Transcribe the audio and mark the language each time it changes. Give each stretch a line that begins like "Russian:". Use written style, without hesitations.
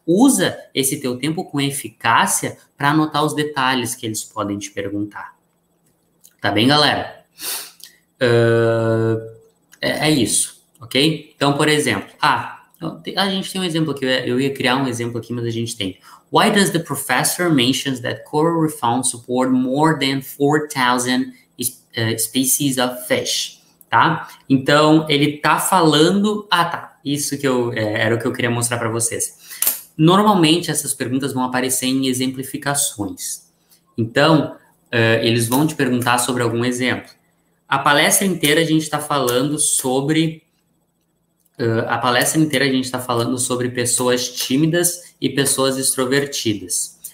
Portuguese: Usa esse teu tempo com eficácia para anotar os detalhes que eles podem te perguntar. Tá bem, galera? É isso, ok? Então, por exemplo, a gente tem um exemplo aqui, eu ia criar um exemplo aqui, mas a gente tem.
English: Why does the professor mention that coral reef support more than 4,000 species of fish?
Portuguese: Tá? Então, ele tá falando. Ah, tá. Isso que era o que eu queria mostrar para vocês. Normalmente, essas perguntas vão aparecer em exemplificações. Então, eles vão te perguntar sobre algum exemplo. A palestra inteira a gente está falando sobre. A palestra inteira a gente está falando sobre pessoas tímidas e pessoas extrovertidas.